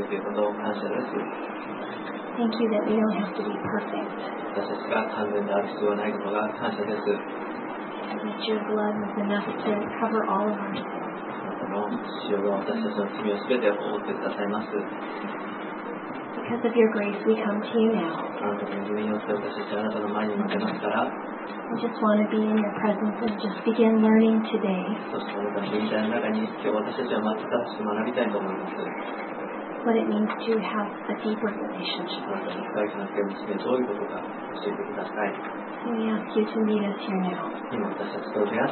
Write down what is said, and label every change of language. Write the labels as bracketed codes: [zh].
[en] Thank you that we don't have to be perfect. [ja] 私たちが完全である必要はないことが感謝です。 [en] That your blood is enough to cover all of our sins. [ja] 主は私たちの罪をすべて覆ってくださいます。 [en] Because of your grace, we come to you now. [ja] あなたの恵みによって私たちはあなたの前に向けますから。 [en] I just want to be in your presence and just begin learning today. [ja] そしてあなたの臨在の中に今日私たちはまた新しく学びたいと思います。 [en] What it means to have a deeper relationship. We ask you to meet us here now.